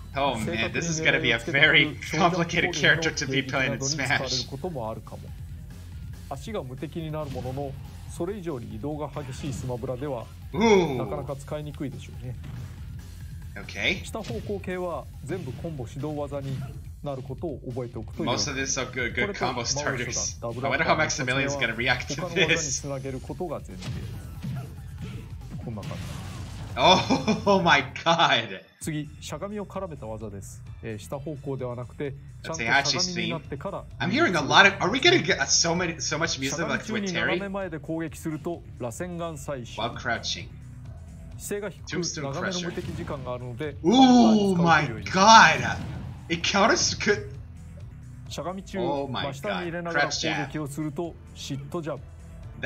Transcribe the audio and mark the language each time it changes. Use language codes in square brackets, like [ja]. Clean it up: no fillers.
[en] Oh man, this is going to be a very complicated character to be playing in Smash. [ja] ことももあるかも。足が無敵になるものの、それ以上に移動が激しいスマブラでは、なかなか使いにくいでしょうね。 [en] Okay. [ja] 下方向系は全部コンボ指導技になることを覚えておくといい。 [en] Most of this are good combo starters. I wonder how Maximilian is going to react to this. [ja] 他の技につなげることが前提です。こんな感じ。 [en] Oh my god! [ja] 次、しゃがみを絡めた技です。下方向ではなくて、ちゃんとしゃがみになってから。 [en] I'm hearing a lot of. Are we gonna get so much music like with Terry? [ja] しゃがみ中に斜め前で攻撃すると、螺旋岩採取。 [en] While crouching. [ja] 姿勢が低く、長めの無敵時間があるので。 [en] Oh my god! It counters good. [ja] しゃがみ中、真下に入れながら攻撃をすると、シットジャブ。